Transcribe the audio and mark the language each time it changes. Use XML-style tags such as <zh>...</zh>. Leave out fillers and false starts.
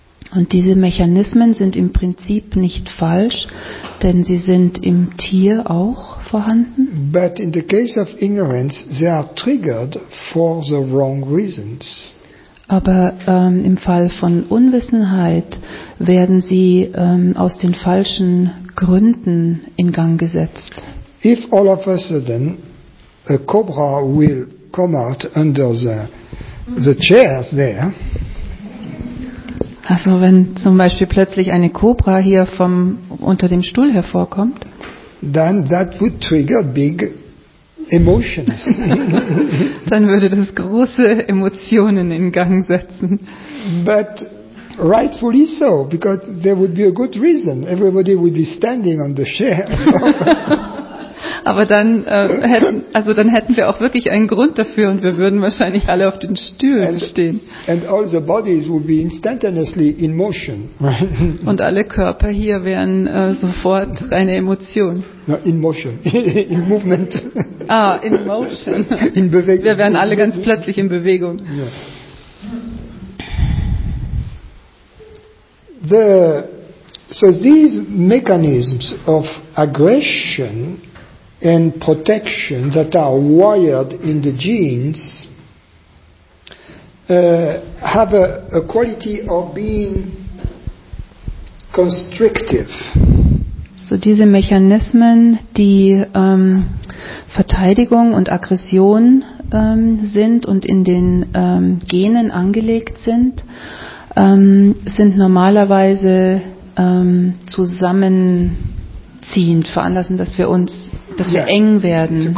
<de>Und diese Mechanismen sind im Prinzip nicht falsch, denn sie sind im Tier auch vorhanden.</de> <en>But in the case of ignorance, they are triggered for the wrong reasons.</en> <de>Aber im Fall von Unwissenheit werden sie aus den falschen Gründen in Gang gesetzt.</de> <en>If all of a sudden a cobra will come out under the chairs there.</en> <de>Also wenn zum Beispiel plötzlich eine Kobra hier vom unter dem Stuhl hervorkommt,</de> <en>then that would trigger big emotions.</en> <de>Dann würde das große Emotionen in Gang setzen.</de> <en>But rightfully so, because there would be a good reason. Everybody would be standing on the chairs.</en> <de>Aber dann hätten wir auch wirklich einen Grund dafür und wir würden wahrscheinlich alle auf den Stühlen stehen.</de> <en>And all the bodies would be instantaneously in motion.</en> <de>Und alle Körper hier wären sofort reine Emotion.</de> <en>No, in motion, in movement. Ah, in motion.</en> <de>In Bewegung. Wir wären alle ganz plötzlich in Bewegung. Yeah.</de> <en>These mechanisms of aggression and protection that are wired in the genes have a quality of being constrictive.</en> <de>So diese Mechanismen, die Verteidigung und Aggression sind und in den Genen angelegt sind, sind normalerweise zusammenziehend, veranlassen, dass wir uns dass wir eng werden.</de>